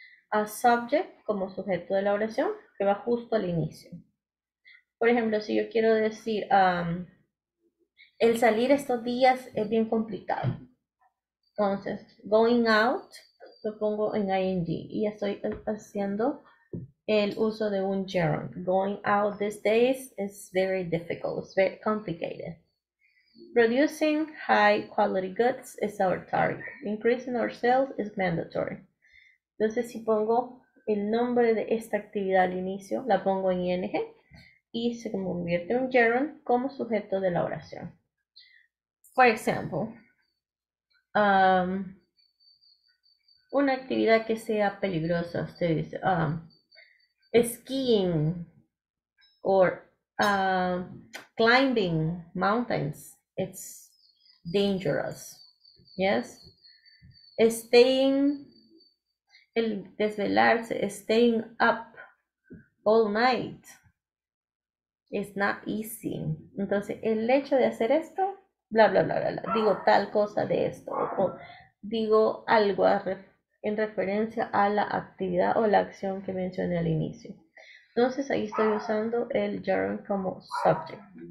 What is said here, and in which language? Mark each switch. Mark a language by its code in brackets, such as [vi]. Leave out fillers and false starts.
[es] A subject como sujeto de la oración que va justo al inicio. Por ejemplo, si yo quiero decir, el salir estos días es bien complicado. Entonces, [en] going out, [es] lo pongo en ing y ya estoy haciendo el uso de un gerund. [en] Going out these days is very difficult, it's very complicated. Producing high quality goods is our target. Increasing our sales is mandatory. [es] Entonces, si pongo el nombre de esta actividad al inicio, la pongo en ing y se convierte en un gerund como sujeto de la oración. [en] For example, [es] una actividad que sea peligrosa, usted dice, [en] skiing or climbing mountains, it's dangerous. Yes, staying, [es] el desvelarse, [en] staying up all night, it's not easy. [es] Entonces, el hecho de hacer esto, bla bla bla bla, bla, digo tal cosa de esto, o digo algo a en referencia a la actividad o la acción que mencioné al inicio. Entonces ahí estoy usando el gerund como subject.